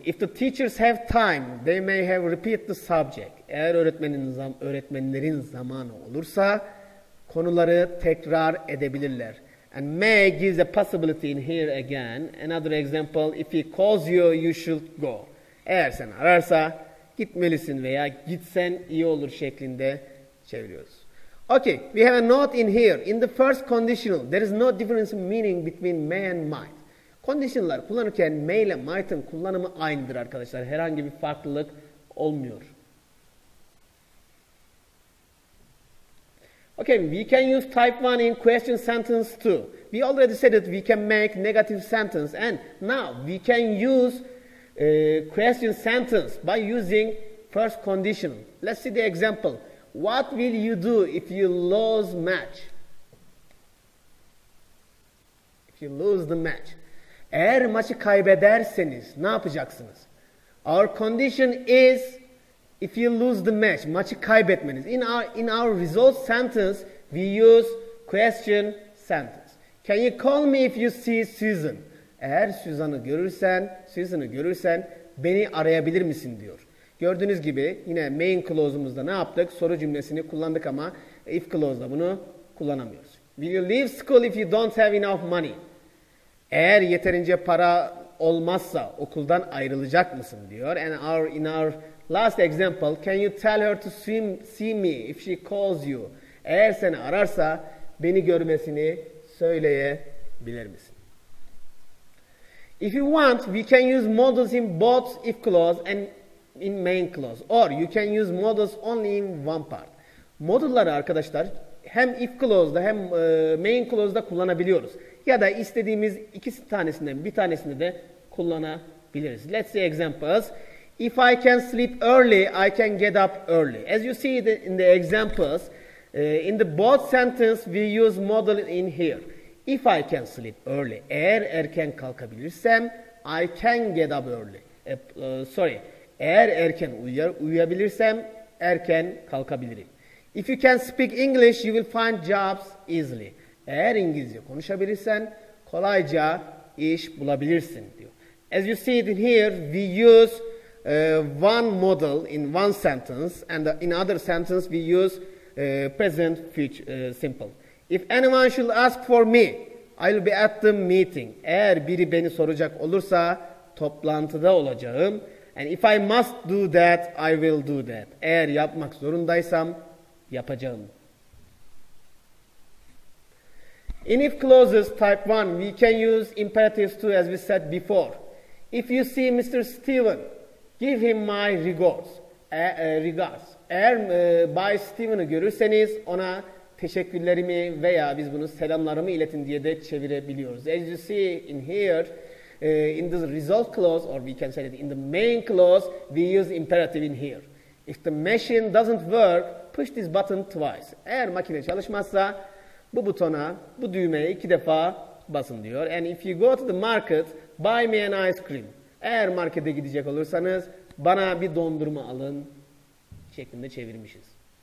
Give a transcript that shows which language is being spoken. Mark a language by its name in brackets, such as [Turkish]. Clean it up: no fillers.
[English] If the teachers have time, they may have repeat the subject. [Turkish] Eğer öğretmenlerin zamanı olursa, konuları tekrar edebilirler. [English] And may gives a possibility in here again. Another example. If he calls you, you should go. [Turkish] Eğer seni ararsa, gitmelisin veya gitsen iyi olur şeklinde çeviriyoruz. [English] Okay, we have a note in here. In the first conditional, there is no difference in meaning between may and might. [Turkish] Conditional'lar kullanırken may ile might'ın kullanımı aynıdır arkadaşlar. Herhangi bir farklılık olmuyor. [English] Okay, we can use type 1 in question sentence 2. We already said that we can make negative sentence and now we can use question sentence by using first conditional. Let's see the example. What will you do if you lose match? If you lose the match. [Turkish] Eğer maçı kaybederseniz ne yapacaksınız? [English] Our condition is if you lose the match, [Turkish] maçı kaybetmeniz. [English] In our result sentence we use question sentence. Can you call me if you see Susan? [Turkish] Eğer Susan'ı görürsen beni arayabilir misin diyor. Gördüğünüz gibi yine main clause'umuzda ne yaptık? Soru cümlesini kullandık ama if clause'da bunu kullanamıyoruz. [English] Will you leave school if you don't have enough money? [Turkish] Eğer yeterince para olmazsa okuldan ayrılacak mısın diyor. [English] And in our last example, can you tell her to swim, see me if she calls you? [Turkish] Eğer seni ararsa beni görmesini söyleyebilir misin? [English] If you want, we can use models in both if clause and in main clause. Or you can use modals only in one part. [Turkish] Modulları arkadaşlar hem if clause'da hem main clause'da kullanabiliyoruz. Ya da istediğimiz ikisi tanesinden bir tanesini de kullanabiliriz. [English] Let's see examples. If I can sleep early, I can get up early. As you see in the examples, in the both sentence we use modal in here. If I can sleep early, [Turkish] eğer erken kalkabilirsem, [English] I can get up early. [Turkish] Eğer erken uyuyabilirsem, erken kalkabilirim. [English] If you can speak English, you will find jobs easily. [Turkish] Eğer İngilizce konuşabilirsen, kolayca iş bulabilirsin diyor. [English] As you see it in here, we use one modal in one sentence, and in other sentence we use present future simple. If anyone should ask for me, I will be at the meeting. [Turkish] Eğer biri beni soracak olursa, toplantıda olacağım. [English] And if I must do that, I will do that. [Turkish] Eğer yapmak zorundaysam, yapacağım. [English] In if clauses type 1, we can use imperatives too, as we said before. If you see Mr. Steven, give him my regards. Regards. [Turkish] Eğer Bay Steven'ı görürseniz, ona teşekkürlerimi veya biz bunu selamlarımı iletin diye de çevirebiliyoruz. [English] As you see in here, in the result clause, or we can say it in the main clause, we use imperative in here. If the machine doesn't work, push this button twice. [Turkish] Eğer makine çalışmazsa, bu butona, bu düğmeye iki defa basın diyor. [English] And if you go to the market, buy me an ice cream. [Turkish] Eğer markete gidecek olursanız, bana bir dondurma alın şeklinde çevirmişiz.